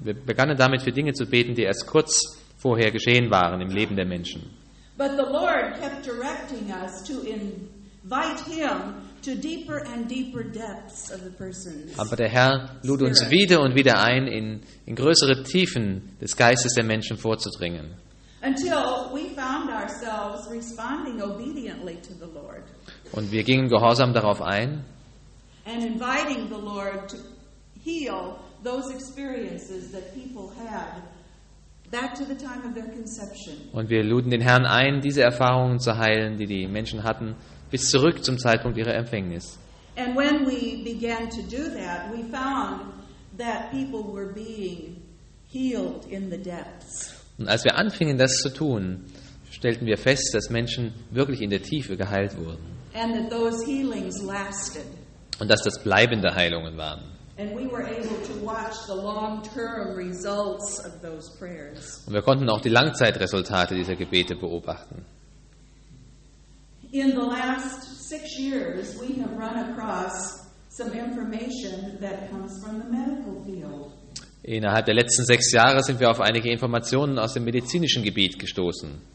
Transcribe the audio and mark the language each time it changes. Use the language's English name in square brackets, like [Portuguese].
[German] Wir begannen damit, für Dinge zu beten, die erst kurz vorher geschehen waren im Leben der Menschen. [English] But the Lord kept directing us to invite him to deeper and deeper depths of the person's. [German] Aber der Herr lud uns wieder und wieder ein, in größere Tiefen des Geistes der Menschen vorzudringen. [English] Until we found ourselves responding obediently to the Lord. [German] Und wir gingen gehorsam darauf ein. [English] And inviting the Lord to heal those experiences that people had back to the time of their conception. [German] Und wir luden den Herrn ein, diese Erfahrungen zu heilen, die Menschen hatten, bis zurück zum Zeitpunkt ihrer Empfängnis. [English] And when we began to do that, we found that people were being healed in the depths. [German] Und als wir anfingen, das zu tun, stellten wir fest, dass Menschen wirklich in der Tiefe geheilt wurden. [English] And that those healings lasted. [German] Und dass das bleibende Heilungen waren. [English] And we were able to watch the long-term results of those prayers. [German] Und wir konnten auch die Langzeitresultate dieser Gebete beobachten. [English] In the last 6 years, we have run across some information that comes from the medical field. [German] Innerhalb der letzten 6 Jahre sind wir auf einige Informationen aus dem medizinischen Gebiet gestoßen.